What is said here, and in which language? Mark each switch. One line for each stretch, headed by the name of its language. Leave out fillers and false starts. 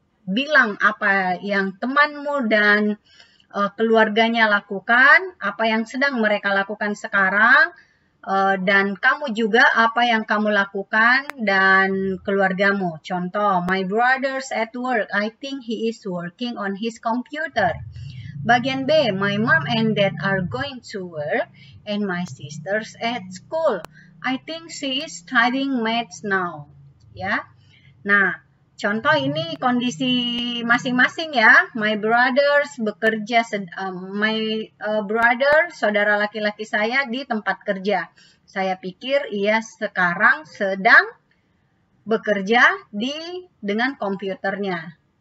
Indonesian: Bilang apa yang temanmu dan keluarganya lakukan, apa yang sedang mereka lakukan sekarang, dan kamu juga apa yang kamu lakukan dan keluargamu. Contoh,
English: my brother's at work. I think he is working on his computer.
Indonesian: Bagian B,
English: my mom and dad are going to work and my sister's at school. I think she is studying maths now. Ya. Yeah.
Indonesian: Nah, contoh ini kondisi masing-masing ya.
English: My brothers
Indonesian: bekerja,
English: my brother,
Indonesian: saudara laki-laki saya di tempat kerja. Saya pikir ia sekarang sedang bekerja dengan komputernya.